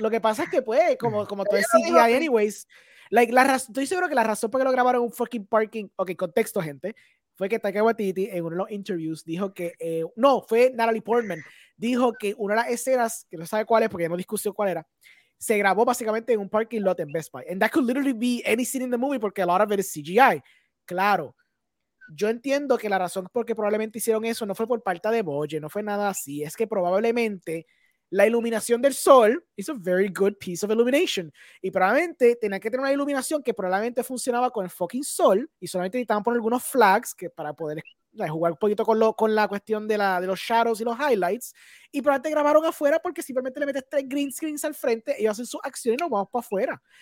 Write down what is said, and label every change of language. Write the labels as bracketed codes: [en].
[es] Lo que pasa es que pues, como tú eres CGI anyways, like, estoy seguro que la razón por qué lo grabaron en un fucking parking, okay, contexto, gente, fue que Taika Waititi en uno de los interviews dijo que fue Natalie Portman, dijo que una de las escenas, que no sabe cuál es porque ya no discutió cuál era, se grabó básicamente en un parking lot en Best Buy. [en] And that could literally be any scene in the movie porque a lot of it is CGI. [es] Claro, yo entiendo que la razón por qué probablemente hicieron eso no fue por falta de budget, no fue nada así. Es que probablemente la iluminación del sol [en] is a very good piece of illumination. [es] Y probablemente tenía que tener una iluminación que probablemente funcionaba con el fucking sol y solamente necesitaban poner algunos flags que para poder jugar un poquito con la cuestión de los shadows y los highlights, y probablemente grabaron afuera porque simplemente le metes 3 green screens al frente, ellos hacen sus acciones y nos vamos para afuera.